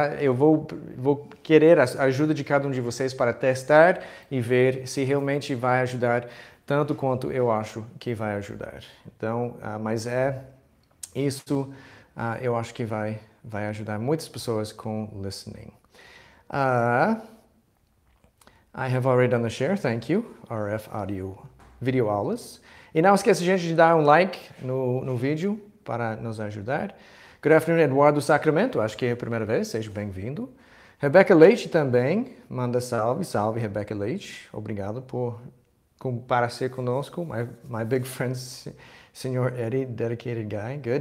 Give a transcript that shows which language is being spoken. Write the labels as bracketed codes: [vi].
[pt] Eu vou querer a ajuda de cada um de vocês para testar e ver se realmente vai ajudar tanto quanto eu acho que vai ajudar. Então, mas é. Isso, eu acho que vai ajudar muitas pessoas com listening. [en] I have already done the share, thank you. [pt] RF Audio Video Aulas. E não esquece, gente, de dar um like no vídeo para nos ajudar. [en] Good afternoon, [pt] Eduardo Sacramento. Acho que é a primeira vez. Seja bem-vindo. Rebeca Leite também. Manda salve. Salve, Rebeca Leite. Obrigado por comparecer conosco. [en] My big friend, Senhor Eddie, dedicated guy. Good.